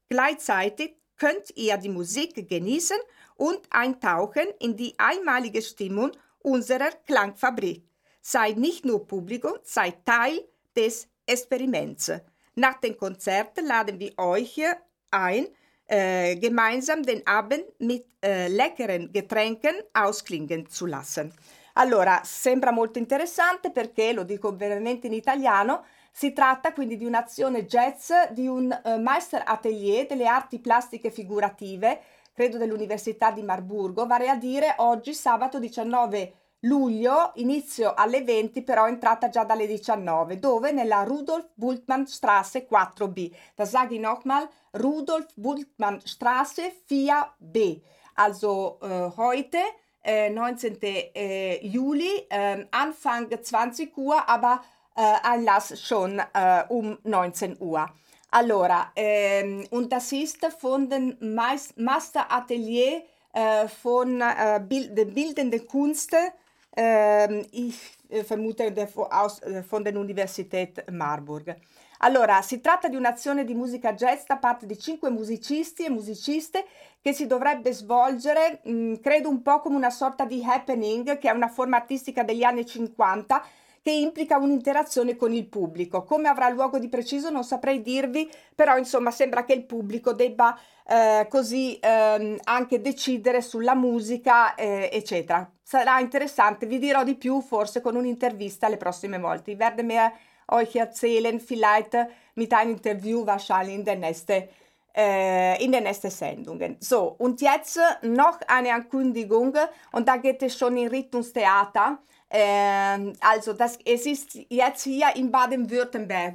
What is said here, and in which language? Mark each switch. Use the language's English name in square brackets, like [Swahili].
[German] Gleichzeitig könnt ihr die Musik genießen und eintauchen in die einmalige Stimmung unserer Klangfabrik. Seid nicht nur Publikum, seid Teil des Experiments. Nach dem Konzert laden wir euch ein, gemeinsam den Abend mit leckeren Getränken ausklingen zu lassen. [Italian] Allora, sembra molto interessante perché, lo dico veramente in italiano, si tratta quindi di un'azione jazz di un Meister Atelier delle arti plastiche figurative, credo dell'Università di Marburgo, vale a dire oggi sabato 19 luglio, inizio alle 20, però entrata già dalle 19, dove nella Rudolf Bultmann Straße 4B. [German] Da sage ich nochmal, Rudolf Bultmann Straße 4B. Also heute, 19. Juli, Anfang 20 Uhr, aber Einlass schon um 19 Uhr. Allora, und das ist von dem Master Atelier von Bildende Kunst, ich vermute von der Universität Marburg. [Italian] Allora, si tratta di un'azione di musica jazz da parte di cinque musicisti e musiciste che si dovrebbe svolgere, credo, un po' come una sorta di happening, che è una forma artistica degli anni 50, che implica un'interazione con il pubblico. Come avrà luogo di preciso non saprei dirvi, però insomma sembra che il pubblico debba così anche decidere sulla musica, eccetera. Sarà interessante, vi dirò di più forse con un'intervista le prossime volte. [German] Werde mir euch erzählen, vielleicht mit einem Interview, wahrscheinlich in der nächsten in der nächsten Sendung. So, und jetzt noch eine Ankündigung, und da geht es schon in Rhythmustheater. Also, es ist jetzt hier in Baden-Württemberg.